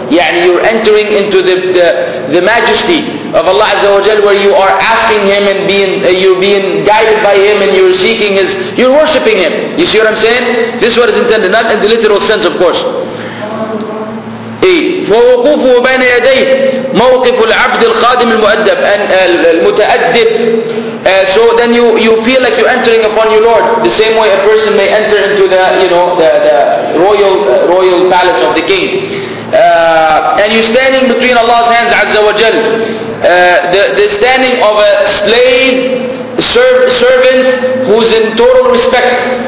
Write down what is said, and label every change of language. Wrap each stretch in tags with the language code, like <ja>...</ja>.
<en>Yani you're entering into the majesty of Allah Azza wa Jal, where you are asking Him and being you're being guided by Him, and you're seeking His, you're worshipping Him. You see what I'm saying? This is what is intended, not in the literal sense, of course.</en> <ar>فوقوفه بين يديه موقف العبد القادم المؤدب المتأدب.</ar> <en>So then you feel like you're entering upon your Lord, the same way a person may enter into the, you know, the royal palace of the king. And you're standing between Allah's hands, Azza wa Jal. The standing of a slave, servant, who's in total respect.</en>